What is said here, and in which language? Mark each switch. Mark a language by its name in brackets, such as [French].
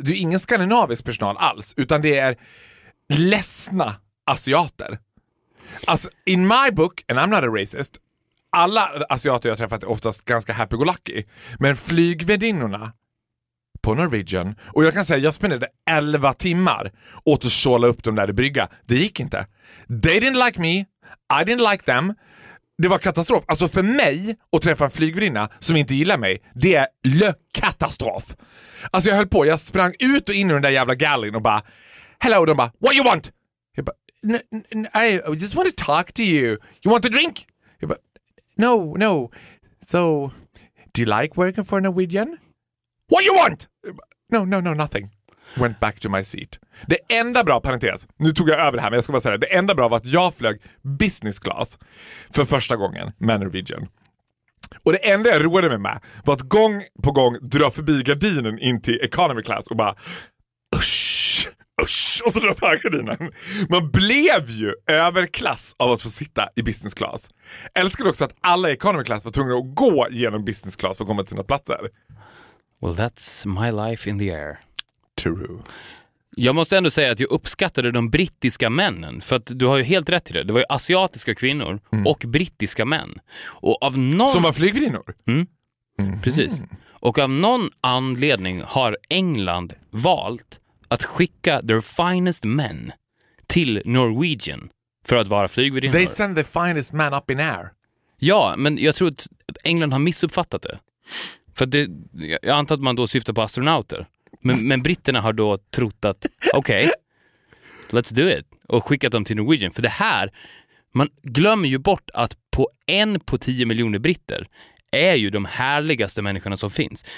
[Swedish] Det är ingen skandinavisk personal alls, utan det är ledsna asiater. Alltså, [English] in my book, and I'm not a racist, [Swedish] alla asiater jag träffat är oftast ganska happy-go-lucky. Men flygvärdinnorna på Norwegian, och jag kan säga, jag spenderade 11 timmar åt att såla upp dem där i brygga. Det gick inte. [English] They didn't like me, I didn't like them. [Swedish] Det var katastrof. Alltså, för mig att träffa en flygvärdinna som inte gillar mig, det är lökatastrof. Alltså, jag höll på, jag sprang ut och in i den där jävla gallin och bara, hello, och de bara, [English] what you want? [Swedish] Jag bara, [English] I just want to talk to you. You want a drink? But no, no. So, do you like working for Norwegian? What you want? No, no, no, nothing. Went back to my seat. [Swedish] Det enda bra, parentes, nu tog jag över det här, men jag ska bara säga det. Det enda bra var att jag flög business class för första gången med Norwegian. Och det enda jag roade mig med var att gång på gång dra förbi gardinen in till economy class och bara, usch. Usch, och så drar jag gardinen. Man blev ju överklass av att få sitta i business class. Älskade också att alla i economy class var tvungna att gå genom business class för att komma till sina platser. [English] Well, that's my life in the air. To true. [Swedish] Jag måste ändå säga att jag uppskattade de brittiska männen, för att du har ju helt rätt i det. Det var ju asiatiska kvinnor och brittiska män. Och av någon... Som var flygvinnor? Mm. Precis. Och av någon anledning har England valt att skicka [English] their finest men [Swedish] till Norwegian för att vara flygvinnor. [English] They send the finest man up in air. [Swedish] Ja, men jag tror att England har missuppfattat det. För det, jag antar att man då syftar på astronauter. Men britterna har då trott att okej, [English] okay, let's do it. [Swedish] Och skickat dem till Norwegian. För det här, man glömmer ju bort att på 1 på 10 miljoner britter är ju de härligaste människorna som finns.